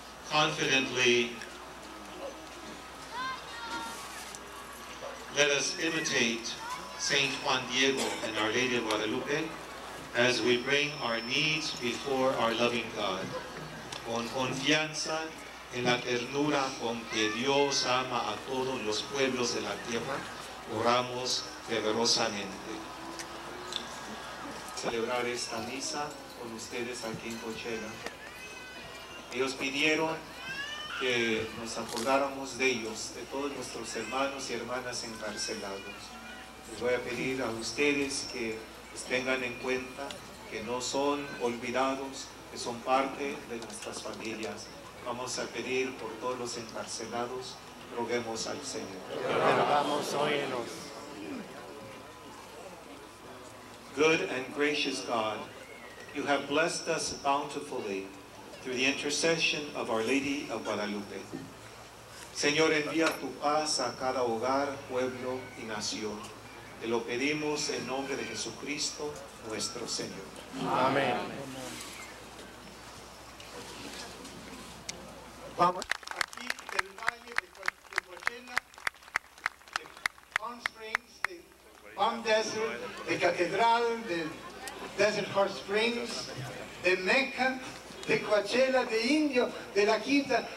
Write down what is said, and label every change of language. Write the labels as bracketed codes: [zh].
[en] Confidently, let us imitate Saint Juan Diego and Our Lady of Guadalupe as we bring our needs before our loving God. [es] Con confianza en la ternura con que Dios ama a todos los pueblos de la tierra, oramos fervorosamente. Celebrar esta misa con ustedes aquí en Cochera. Ellos pidieron que nos acordáramos de ellos, de todos nuestros hermanos y hermanas encarcelados. Les voy a pedir a ustedes que tengan en cuenta que no son olvidados, que son parte de nuestras familias. Vamos a pedir por todos los encarcelados, roguemos al Señor. Vamos, óyenos. [en] Good and gracious God, you have blessed us bountifully through the intercession of Our Lady of Guadalupe. [es] Señor, envía tu paz a cada hogar, pueblo y nación. Te lo pedimos en nombre de Jesucristo, nuestro Señor. Amén. Vamos aquí del Valle de Coachella, de Palm Springs, de Palm Desert, de Catedral, de Desert Hot Springs, de Mecca, de Coachella, de Indio, de La Quinta.